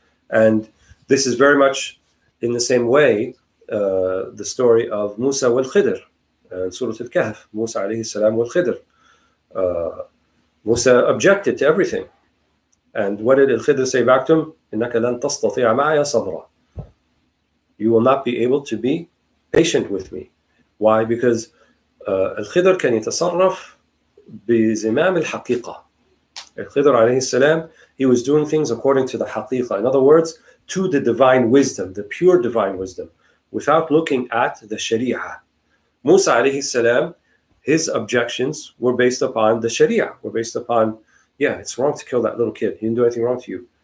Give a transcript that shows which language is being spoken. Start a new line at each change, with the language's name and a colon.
English: And this is very much in the same way the story of Musa wal Khidr, Surah Al-Kahf, Musa alayhi salam wal Khidr. Musa objected to everything. And what did Al-Khidr say back to him?
Arabic: إِنَّكَ لَن تَسْتَطِيعَ مَعَيَ صَبْرًا.
English: You will not be able to be patient with me. Why? Because Al-Khidr
Arabic: كان يتصرف بزمام الحقيقة.
English: Al-Khidr alayhi salam, he was doing things according to the haqiqa. In other words, to the divine wisdom, the pure divine wisdom, without looking at the Sharia. Musa alayhi salam, his objections were based upon the Sharia, were based upon, yeah, it's wrong to kill that little kid. He didn't do anything wrong to you.